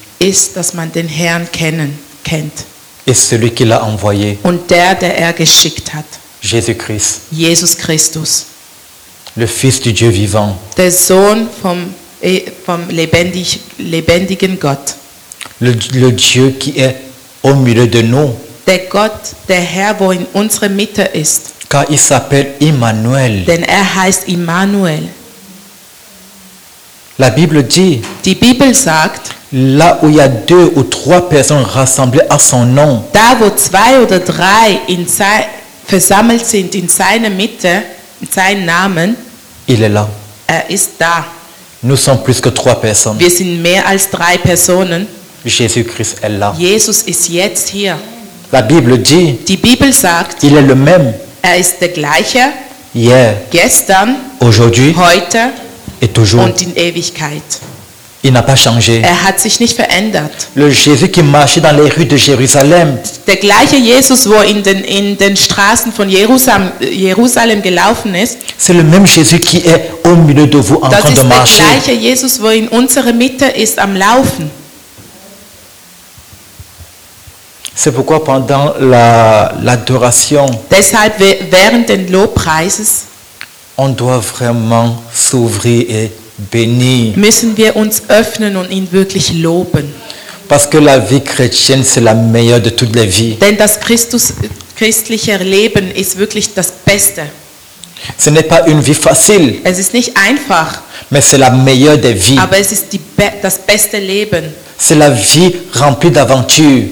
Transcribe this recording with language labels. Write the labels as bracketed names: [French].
[German] ist, dass man den Herrn kennt. ist [French] celui qui l'a envoyé. [German] Und der, der er geschickt hat. [French] Jesus Christ. [German] Jesus Christus. [French] Le Fils du Dieu vivant. [German] Der Sohn vom lebendigen Gott. [French] Le Dieu qui est au milieu de nous. [German] Der Gott, der Herr, wo in unserer Mitte ist. [French] Car il s'appelle Immanuel. [German] Denn er heißt Immanuel. [French] La Bible dit. [German] Die Bibel sagt. [French] Là où il y a deux ou trois personnes rassemblées à son nom. [German] Da wo zwei oder drei versammelt sind in seiner Mitte, in seinem Namen. [French] Il est là. [German] Er ist da. [French] Nous sommes plus que trois personnes. [German] Wir sind mehr als drei Personen. [French] Jésus-Christ est là. [German] Jesus ist jetzt hier. [French] La Bible dit. [German] Die Bibel sagt. [French] Il est le même. [German] Er ist der gleiche. [French] Hier. Yeah. [German] Gestern. [French] Aujourd'hui. [German] Heute. [French] Et toujours. [German] Und in Ewigkeit. [French] Il n'a pas changé. [German] Er hat sich nicht verändert. [French] Le Jésus qui marchait dans les rues de Jérusalem. [German] Der gleiche Jesus, wo in den Straßen von Jerusalem gelaufen ist. [French] C'est le même Jésus qui est au milieu de vous en train de marcher. [German] Das ist der gleiche Jesus, wo in unserer Mitte ist am Laufen. [French] C'est pourquoi pendant l'adoration. [German] Deshalb während des Lobpreises. [French] On doit vraiment s'ouvrir et bénir. [German] Müssen wir uns öffnen und ihn wirklich loben. [French] Parce que la vie chrétienne c'est la meilleure de toutes les vies. [German] Denn das christliche Leben ist wirklich das Beste. [French] Ce n'est pas une vie facile. [German] Es ist nicht einfach. [French] Mais c'est la meilleure des vies. [German] Aber es ist das beste Leben. [French] C'est la vie remplie d'aventures.